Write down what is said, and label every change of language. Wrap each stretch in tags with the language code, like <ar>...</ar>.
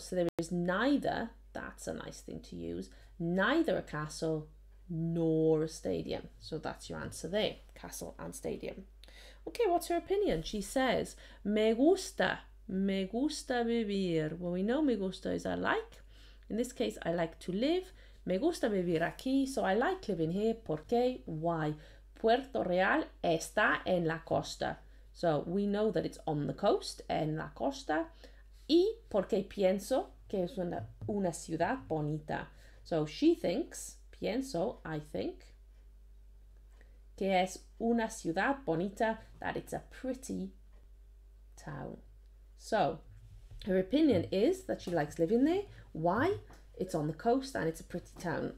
<en>So there is neither, that's a nice thing to use, neither a castle nor a stadium. So that's your answer there, castle and stadium. Okay, what's her opinion? She says,</en> <es>me gusta vivir.</es> <en>Well, we know</en> <es>me gusta</es> <en>is I like. In this case, I like to live.</en> <es>Me gusta vivir aquí,</es> <en>so I like living here.</en> <es>¿Por qué?</es> <en>Why?</en> <es>Puerto Real está en la costa.</es> <en>So we know that it's on the coast,</en> <es>en la costa. Y porque pienso que es una ciudad bonita.</es> <en>So she thinks,</en> <es>pienso,</es> <en>I think,</en> <es>que es una ciudad bonita,</es> <en>that it's a pretty town. So her opinion is that she likes living there. Why? It's on the coast and it's a pretty town.</en>